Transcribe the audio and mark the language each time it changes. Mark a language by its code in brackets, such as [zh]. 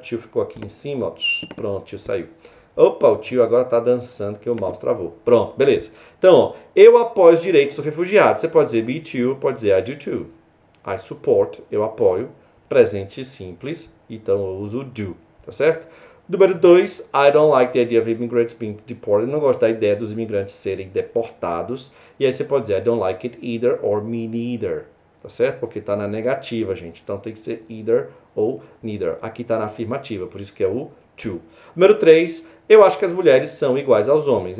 [pt] O tio ficou aqui em cima, ó. Pronto, o tio saiu. Opa, o tio agora tá dançando que o mouse travou. Pronto, beleza. Então, ó, eu apoio os direitos do refugiado. Você pode dizer [en] me too, [pt] pode dizer [en] I do too. I support, [pt] eu apoio. Presente simples, então eu uso do, tá certo? Número 2, [en] I don't like the idea of immigrants being deported. [pt] Eu não gosto da ideia dos imigrantes serem deportados. E aí você pode dizer, [en] I don't like it either or me neither. [pt] Tá certo? Porque tá na negativa, gente. Então tem que ser either ou neither. Aqui tá na afirmativa, por isso que é o to. Número 3, eu acho que as mulheres são iguais aos homens.